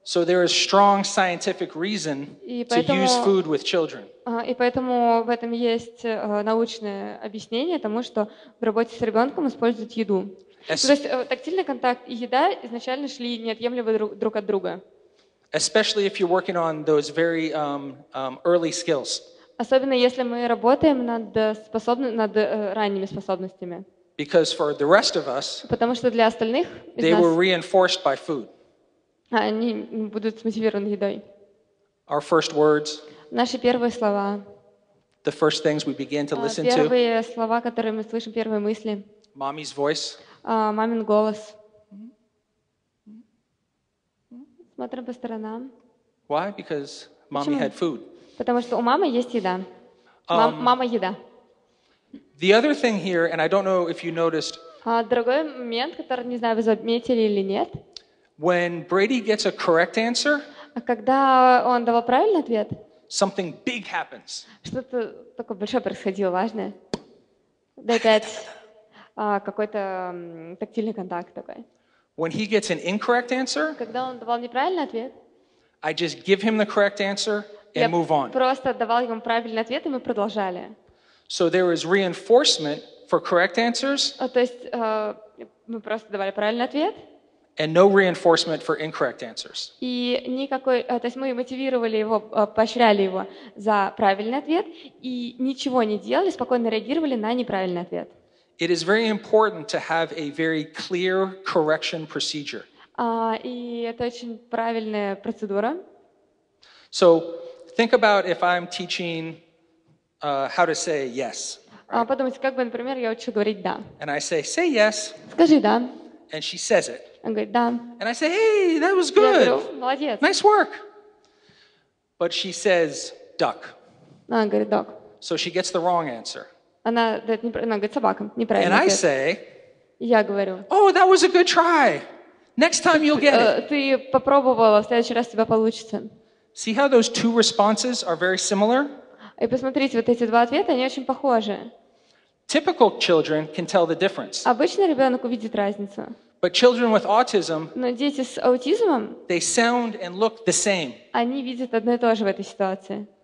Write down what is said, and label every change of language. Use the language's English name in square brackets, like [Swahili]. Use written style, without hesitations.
[English] So there is strong scientific reason to use food with children. [Russian] И поэтому в этом есть научное объяснение тому, что в работе с ребенком используют еду. То есть тактильный контакт и еда изначально шли неотъемлемо друг от друга. [English] Especially if you're working on those very early skills. [Russian] Особенно если мы работаем над ранними способностями. [English] Because for the rest of us, [Russian] потому что для остальных из [English] they were reinforced by food. [Russian] Они будут смотивированы едой. [English] Our first words. [Russian] Наши первые слова. [English] The first things we begin to listen [Russian] первые Первые слова, которые мы слышим, первые мысли. [English] Mommy's voice. [Russian] Мамин голос. Смотрим по сторонам. [English] Why? Because mommy [Russian] Почему? [English] Had food. [Russian] Потому что у мамы есть еда. Мама еда. [English] The other thing here, and I don't know if you noticed. [Russian] Другой момент, который не знаю, вы заметили или нет. [English] When Brady gets a correct answer. [Russian] Когда он давал правильный ответ. [English] Something big happens. [Russian] Что-то такое большое происходило, важное. Да, опять какой-то тактильный контакт такой. [English] When he gets an incorrect answer. [Russian] Когда он давал неправильный ответ. [English] I just give him the correct answer and move on. [Russian] Я просто давал ему правильный ответ, и мы продолжали. [English] So there is reinforcement for correct answers. [Russian] То есть мы просто давали правильный ответ. [English] And no reinforcement for incorrect answers. [Russian] И никакой, то есть мы мотивировали его, поощряли его за правильный ответ и ничего не делали, спокойно реагировали на неправильный ответ. [English] It is very important to have a very clear correction procedure. [Russian] И это очень правильная процедура. [English] So think about if I'm teaching how to say yes. Right? [Russian] Подумайте, как бы, например, я учу говорить да. [English] And I say, say yes. [Russian] Скажи да. [English] And she says it. [Russian] Он говорит, да. [English] And I say, hey, that was good. [Russian] Я говорю, молодец. [English] Nice work. But she says, duck. [Russian] Она говорит, duck. [English] So she gets the wrong answer. [Russian] Она говорит, собака, неправильный [English] And [Russian] ответ. [English] I say, [Russian] я говорю, [English] oh, that was a good try. Next time you'll get it. [Russian] Ты попробовала, в следующий раз у тебя получится. [English] See how those two responses are very similar? [Russian] И посмотрите, вот эти два ответа, они очень похожи. [English] Typical children can tell the difference. [Russian] Обычно ребенок увидит разницу. [English] But children with autism, [Russian] но дети с аутизмом, [English] they sound and look the same. [Russian] Они видят одно и то же в этой ситуации.